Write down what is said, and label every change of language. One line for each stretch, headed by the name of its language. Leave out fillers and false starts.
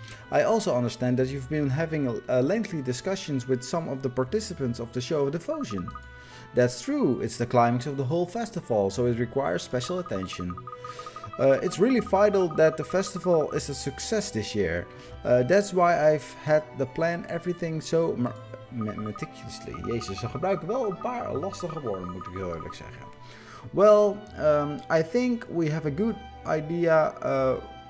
English: I also understand that you've been having lengthy discussions with some of the participants of the Show of Devotion. That's true, it's the climax of the whole festival, so it requires special attention. It's really vital that the festival is a success this year. That's why I've had to plan everything so meticulously.
Dutch: Jezus, ze gebruiken wel een paar lastige woorden, moet ik heel eerlijk zeggen.
English: Well, I think we have a good idea.